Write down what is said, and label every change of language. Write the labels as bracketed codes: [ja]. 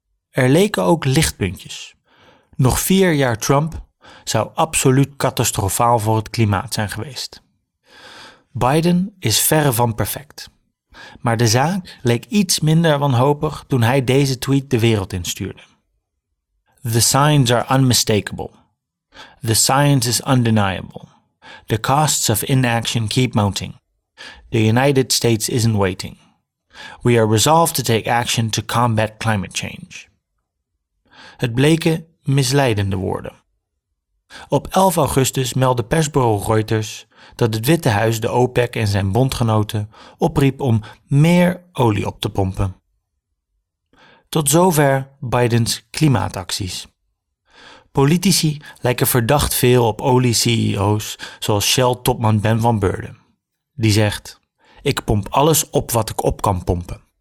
[nl] Er leken ook lichtpuntjes. Nog 4 jaar Trump zou absoluut catastrofaal voor het klimaat zijn geweest. Biden is verre van perfect. Maar de zaak leek iets minder wanhopig toen hij deze tweet de wereld instuurde. [en] The signs are unmistakable. The science is undeniable. The costs of inaction keep mounting. The United States isn't waiting. We are resolved to take action to combat climate change. [nl] Het bleken misleidende woorden. Op 11 augustus meldde persbureau Reuters dat het Witte Huis de OPEC en zijn bondgenoten opriep om meer olie op te pompen. Tot zover Bidens klimaatacties. Politici lijken verdacht veel op olie-CEO's zoals Shell-topman Ben van Beurden. Die zegt: ik pomp alles op wat ik op kan pompen.